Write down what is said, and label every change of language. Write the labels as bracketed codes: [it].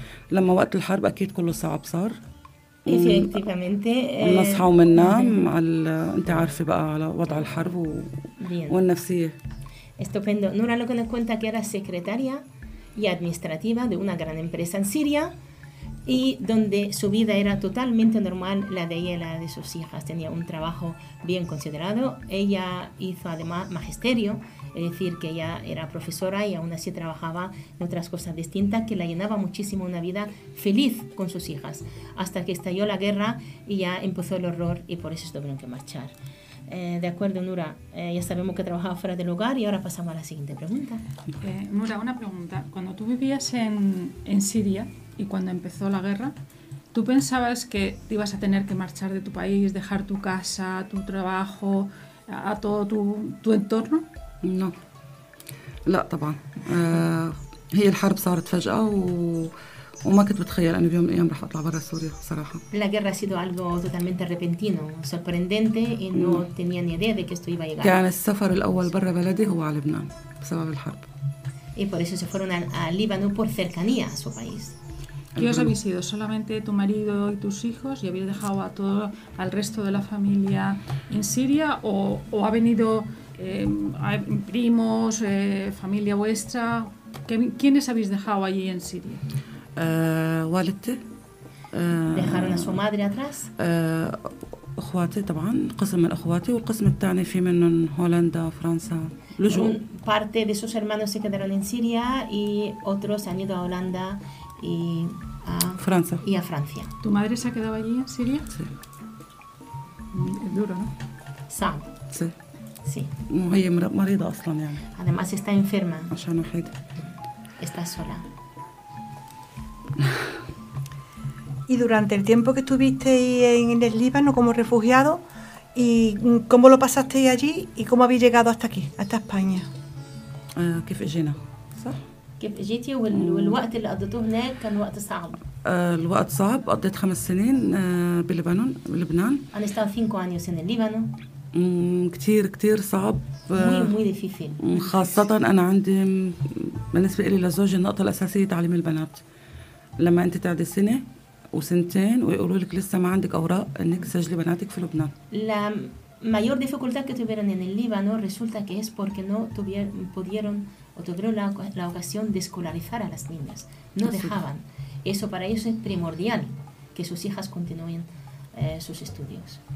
[ar] لما وقت الحرب أكيد كله صعب صار. نصحى ومننام على أنت عارفة بقى على وضع الحرب والنفسية. [es] Estupendo. Nura lo que nos cuenta que era secretaria y administrativa de una gran empresa en Siria, y donde su vida era totalmente normal, la de ella y la de sus hijas. Tenía un trabajo bien considerado. Ella hizo además magisterio, es decir, que ella era profesora y aún así trabajaba en otras cosas distintas, que la llenaba muchísimo una vida feliz con sus hijas. Hasta que estalló la guerra y ya empezó el horror y por eso tuvieron que marchar. De acuerdo, Nura, ya sabemos que trabajaba fuera del hogar y ahora pasamos a la siguiente pregunta. Nura, una pregunta. Cuando tú vivías en Siria, y cuando empezó la guerra, ¿tú pensabas que ibas a tener que marchar de tu país, dejar tu casa, tu trabajo, a todo tu entorno? No. [ar] لا طبعا هي الحرب صارت فجأة وما كنت بتخيل أنا بيوم من الأيام رح أطلع برا سوريا صراحة. [es] La guerra ha sido algo totalmente repentino, sorprendente y no tenía ni idea de que esto iba a llegar. [ar] كان السفر الأول برا بلدي هو على لبنان بسبب الحرب. [es] Y por eso se fueron a Líbano por cercanía a su país. ¿Qué os habéis ido? ¿Solamente tu marido y tus hijos y habéis dejado a todo al resto de la familia en Siria o ha venido primos, familia vuestra? ¿Quiénes habéis dejado allí en Siria? [ar] والدتي. [es] ¿Dejaron a su madre atrás? [ar] اخواتي طبعا قسم من اخواتي والقسم الثاني في منهم هولندا فرنسا لجوء. [es] Parte de sus hermanos se quedaron en Siria y otros han ido a Holanda y a Francia. Y a Francia. ¿Tu madre se ha quedado allí en Siria? Sí. Es duro, ¿no? Sam. Sí. Sí. [ar] هي مريضة اصلا يعني. [es] Además está enferma. [ar] عشان وحيدة. [es] Está sola. Y durante el tiempo que estuviste en el Líbano como refugiado, ¿y cómo lo pasaste allí y cómo habéis llegado hasta aquí, hasta España? [ar] كيف اجينا؟ كيف جيتي والوقت اللي قضيته هناك كان وقت صعب. الوقت صعب قضيت 5 سنين بلبنان بلبنان. أنا استاو [es] 5 años en el Líbano. [ar] كتير كتير صعب. [es] Muy difícil. [ar] خاصة أنا عندي بالنسبة لي لزوجي النقطة الأساسية تعليم البنات. لما أنت تعدي سنة وسنتين ويقولوا لك لسه ما عندك أوراق إنك تسجلي بناتك في لبنان. [es] La mayor dificultad que tuvieron en el Líbano resulta que es porque no pudieron o tuvieron la ocasión de escolarizar a las niñas. No dejaban. Eso para ellos es primordial, que sus hijas continúen sus estudios.